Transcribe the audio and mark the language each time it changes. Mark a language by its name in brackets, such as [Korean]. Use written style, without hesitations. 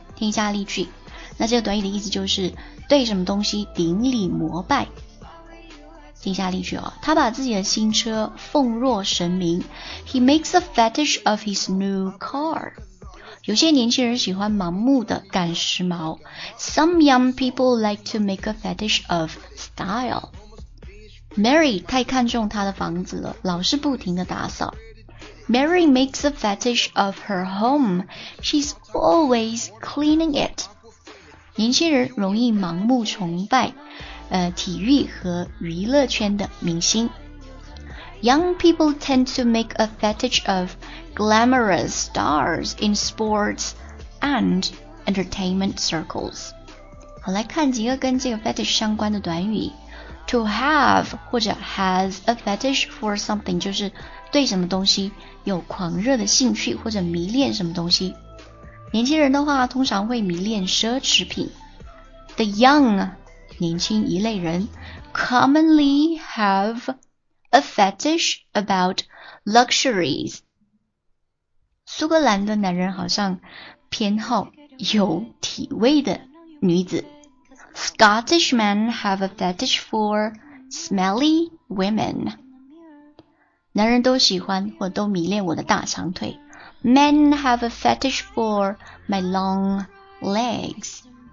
[Chinese] 听一下例句，那这个短语的意思就是对什么东西顶礼膜拜。听一下例句哦，他把自己的新车奉若神明 ， [English] He makes a fetish of his new car. [Chinese] 有些年轻人喜欢盲目的赶时髦。 [English] Some young people like to make a fetish of style. [Chinese] Mary 太看重她的房子了，老是不停地打扫。 [English] Mary makes a fetish of her home. She's always cleaning it. [Chinese] 年轻人容易盲目崇拜，体育和娱乐圈的明星。 [English] Young people tend to make a fetish of glamorous stars in sports and entertainment circles. [Chinese] 好，来看几个跟这个 fetish 相关的短语。To have 或者 [English] has a fetish for something [Chinese] 就是对什么东西有狂热的兴趣或者迷恋什么东西。年轻人的话通常会迷恋奢侈品。 [English] The young [Chinese] 年轻一类人 [English] commonly haveA fetish about luxuries. [Chinese] 苏格兰的男人好像偏好有体味的女子。 [English] Scottish men have a fetish for smelly women. [Chinese] 男人都喜欢或都迷恋我的大长腿。 [English] Men have a fetish for my long legs.